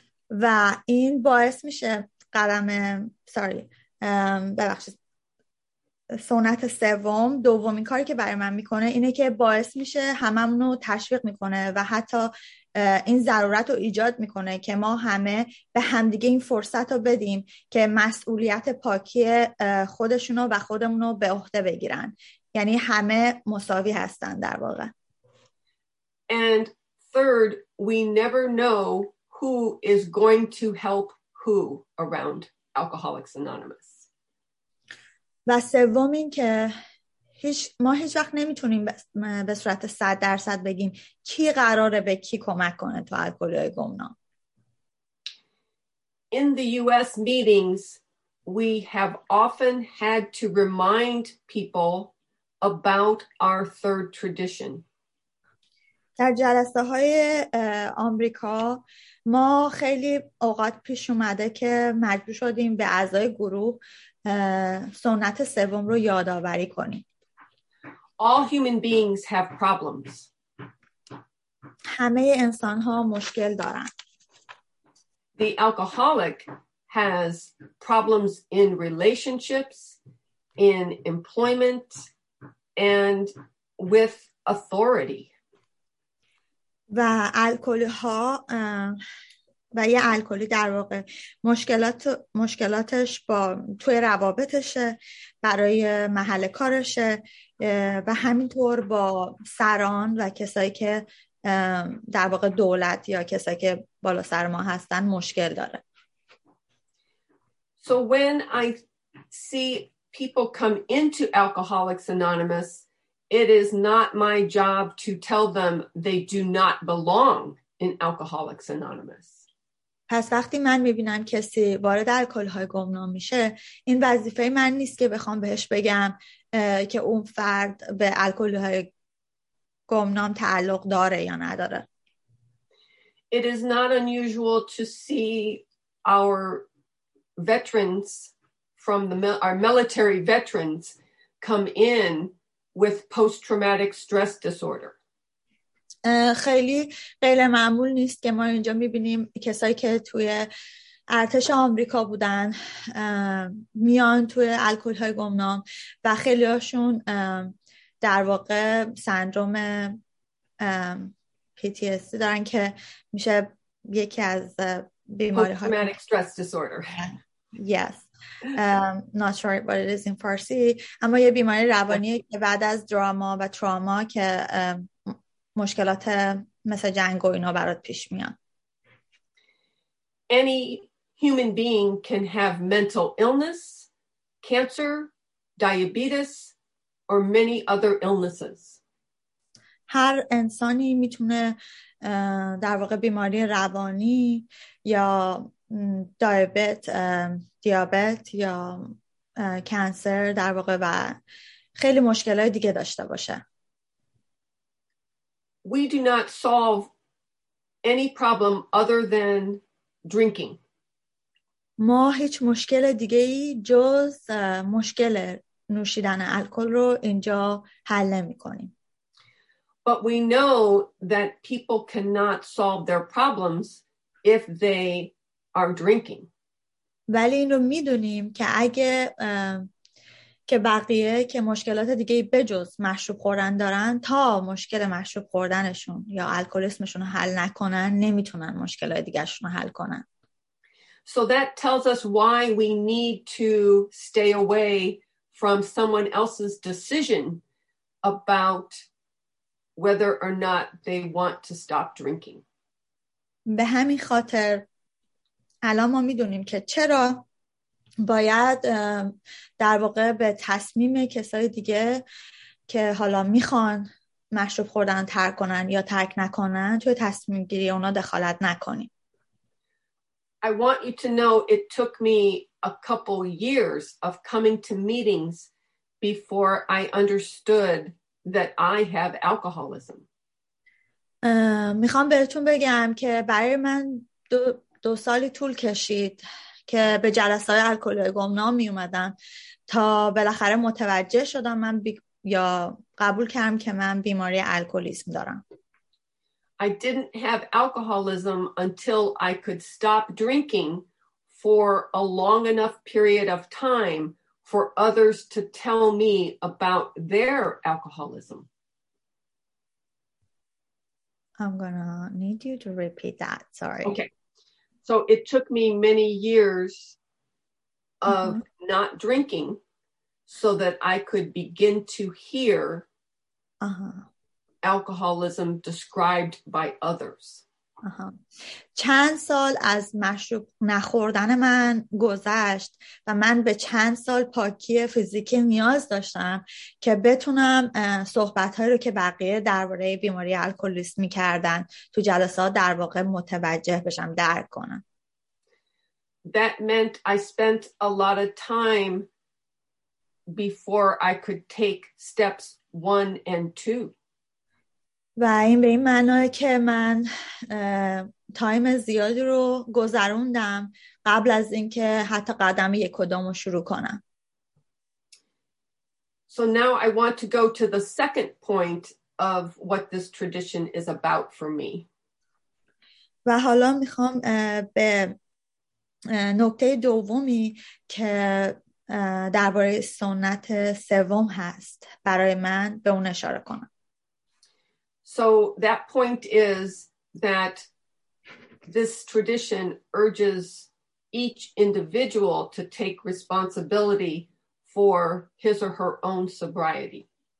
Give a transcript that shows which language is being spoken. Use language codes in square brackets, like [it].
[fa] و این باعث میشه قدم [en] sorry [fa] ببخشید سنت سوم دومین کاری که برای من میکنه اینه که باعث میشه هممونو تشویق میکنه و حتی این ضرورت رو ایجاد میکنه که ما همه به همدیگه این فرصت رو بدیم که مسئولیت پاکی خودشونو و خودمونو به عهده بگیرن. یعنی همه مساوی هستن در واقع. [en] And third, we never know who is going to help who around Alcoholics Anonymous. [fa] و سوم این که ما هیچ وقت نمیتونیم به صورت 100% بگیم کی قراره به کی کمک کنه تو الکلی‌های گمنام. [en] In the US meetings, we have often had to remind people about our third tradition. [fa] در جلسه های آمریکا ما خیلی اوقات پیش اومده که مجبور شدیم به اعضای گروه سنت سوم رو یادآوری کنیم. [en] All human beings have problems. [fa] همه انسان ها مشکل دارن. [en] The alcoholic has problems in relationships, in employment, and with authority. [fa] و الکلی ها و یه الکلی در واقع مشکلاتش با توی روابطشه، برای محل کارشه و همینطور با سران و کسایی که در واقع دولت یا کسایی که بالا سر ما هستن مشکل داره. [en] So when I see people come into Alcoholics Anonymous, it is not my job to tell them they do not belong in Alcoholics Anonymous. [fa] پس وقتی من میبینم کسی وارد الکل‌های گمنام میشه، این وظیفه من نیست که بخوام بهش بگم که اون فرد به الکل‌های گمنام تعلق داره یا نداره. [en] It is not unusual to see our veterans from our military veterans come in with post-traumatic stress disorder. [fa] خیلی غیر معمول نیست که ما اینجا میبینیم کسایی که توی ارتش آمریکا بودن میان توی الکل‌های گمنام و خیلی‌هاشون در واقع سندروم PTSD دارن که میشه یکی از بیماری‌های [en] Post-traumatic stress disorder. Yes. Not sure what it is in Farsi. [fa] اما یه بیماری روانیه که بعد از دراما و تراما که مشکلات مثل جنگ و اینا برات پیش میان. [en] Any human being can have mental illness, cancer, diabetes, or many other illnesses. [fa] هر انسانی میتونه در واقع بیماری روانی یا دایبت دیابت یا کانسر در واقع و خیلی مشکلات دیگه داشته باشه. [en] We do not solve any problem other than drinking. [fa] ما هیچ مشکل دیگه ای جز مشکل نوشیدن الکل رو اینجا حل نمی کنیم. [en] But we know that people cannot solve their problems if they are drinking. [fa] ولی این رو می دونیم که اگه که بقیه که مشکلات دیگه بجز مشروب خوردن دارن تا مشکل مشروب خوردنشون یا الکلیسمشون رو حل نکنن نمیتونن مشکلات دیگرشون رو حل کنن. [en] So that tells us why we need to stay away from someone else's decision about whether or not they want to stop drinking. [fa] به همین خاطر الان ما میدونیم که چرا باید در واقع به تصمیم کسای دیگه که حالا میخوان مشروب خوردن ترک کنن یا ترک نکنن توی تصمیم گیری اونا دخالت نکنیم. [en] I want you to know it took me a couple years of coming to meetings before I understood that I have alcoholism. [fa] میخوام بهتون بگم که برای من دو سالی طول کشید که به جلسه‌های الکلی گمنام می اومدم تا بالاخره متوجه شدم من یا قبول کردم که من بیماری الکلیسم دارم. [en] I didn't have alcoholism until I could stop drinking for a long enough period of time for others to tell me about their alcoholism. I'm gonna need you to repeat that. Sorry. Okay. So it took me many years of mm-hmm. not drinking so that I could begin to hear alcoholism described by others. [fa] چند سال از مشروب نخوردن من گذشت و من به چند سال پاکی فیزیکی نیاز داشتم که بتونم صحبت‌هایی رو که بقیه درباره بیماری الکلیسم می‌کردن تو جلسات در واقع متوجه بشم، درک کنم. [en] That meant I spent a lot of time before I could take steps 1 and 2. [fa] و این به این معنی که من تایم زیادی رو گذروندم قبل از اینکه حتی قدم یک و دوم رو شروع کنم. [en] So now I want to go to the second point of what this tradition is about for me. [fa] و حالا میخوام به نکته دومی که درباره سنت سوم هست برای من به اون اشاره کنم. [en] So that point is that this tradition urges each individual to take responsibility for his or her own sobriety.